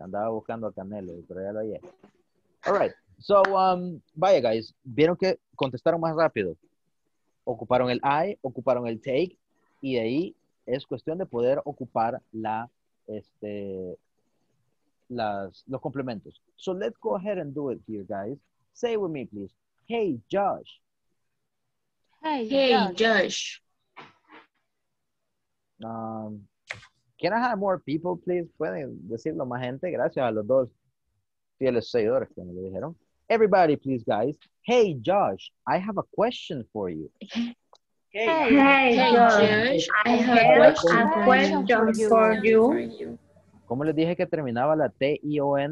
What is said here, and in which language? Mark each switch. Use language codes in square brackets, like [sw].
[es] Andaba buscando a Canelo, pero ya lo hallé. [en] All right. [es] So, vaya, guys. Vieron que contestaron más rápido. Ocuparon el I, ocuparon el take, y de ahí es cuestión de poder ocupar la los complementos. [en] So let's go ahead and do it here, guys. Say it with me, please. Hey, Josh. Hey, Josh. Can I have more people, please? [es] Pueden decirlo más gente. Gracias a los dos fieles seguidores que me lo dijeron. [en] Everybody, please, guys. Hey, Josh. I have a question for you. Hey, Josh, I have a question for you. [es] ¿Cómo les dije que terminaba la T-I-O-N?